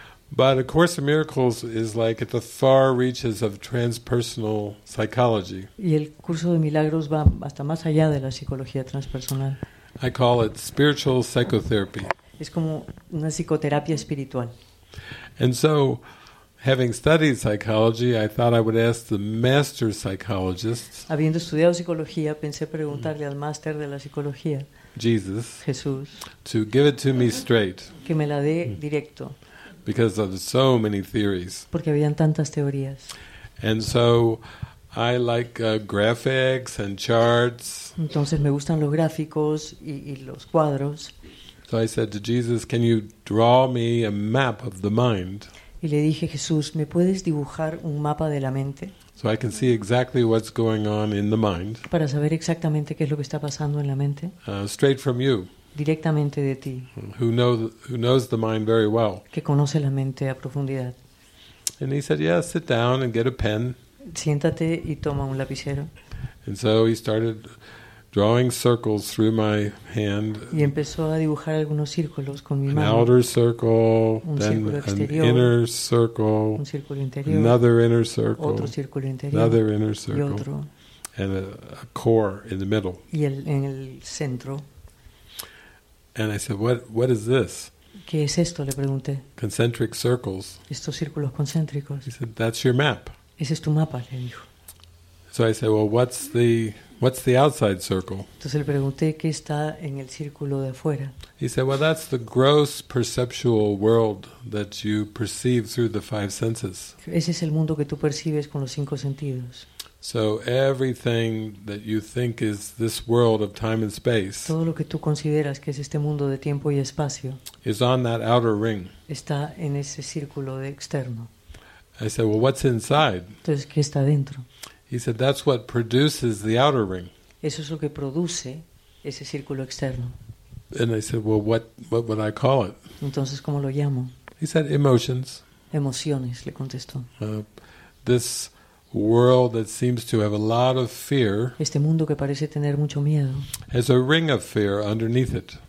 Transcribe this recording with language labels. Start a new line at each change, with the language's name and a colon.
English: But A Course in Miracles is like at the far reaches of transpersonal psychology.
Spanish: Y el curso de milagros va hasta más allá de la psicología transpersonal.
English: I call it spiritual psychotherapy.
Spanish: Es como una psicoterapia espiritual.
English: And so, having studied psychology, I thought I would ask the master psychologists.
Spanish: Habiendo estudiado psicología, pensé preguntarle al máster de la psicología.
English: Jesus.
Spanish: Jesús.
English: To give it to me straight.
Spanish: Que me la dé directo.
English: Because of so many theories.
Spanish: Porque habían tantas teorías.
English: And so I like graphics and charts.
Spanish: Entonces me gustan los gráficos y los cuadros.
English: So I said to Jesus, "Can you draw me a map of the mind?"
Spanish: Y le dije, Jesús, ¿me puedes dibujar un mapa de la mente?
English: So I can see exactly what's going on in the mind.
Spanish: Para saber exactamente qué es lo que está pasando en la mente.
English: Straight from you.
Spanish: Directamente de ti.
English: Who knows the mind very well.
Spanish: Que conoce la mente a profundidad.
English: And he said, "Yeah, sit down and get a pen."
Spanish: Siéntate y toma un lapicero.
English: And so he started drawing circles through my hand.
Spanish: Y empezó a dibujar algunos círculos con mi
English: an
Spanish: mano.
English: An outer circle, then an inner circle,
Spanish: un círculo interior,
English: another inner circle,
Spanish: otro círculo interior,
English: another inner circle,
Spanish: y otro.
English: And a core in the middle.
Spanish: Y el en el centro.
English: And I said, "What is this?"
Spanish: ¿Qué es esto?, le pregunté.
English: Concentric circles.
Spanish: Estos círculos concéntricos.
English: He said, "That's your map."
Spanish: Ese es tu mapa, le dijo.
English: So I said, "Well, what's the outside circle?"
Spanish: Entonces le pregunté qué está en el círculo de afuera.
English: He said, "Well, that's the gross perceptual world that you perceive through the five senses."
Spanish: Ese es el mundo que tú percibes con los cinco sentidos.
English: So everything that you think is this world of time and space.
Spanish: Todo lo que tú consideras que es este mundo de tiempo y espacio.
English: Is on that outer ring.
Spanish: Está en ese círculo de externo.
English: I said, "Well, what's inside?"
Spanish: Entonces, ¿qué está dentro?
English: He said, "That's what produces the outer ring."
Spanish: Eso es lo que produce ese círculo externo.
English: And I said, "Well, what would I call it?"
Spanish: Entonces, ¿cómo lo llamo?
English: He said, "Emotions."
Spanish: Emociones, le contestó.
English: This world that seems to have a lot of fear.
Spanish: Este mundo que parece tener mucho miedo.
English: Has a ring of fear underneath it.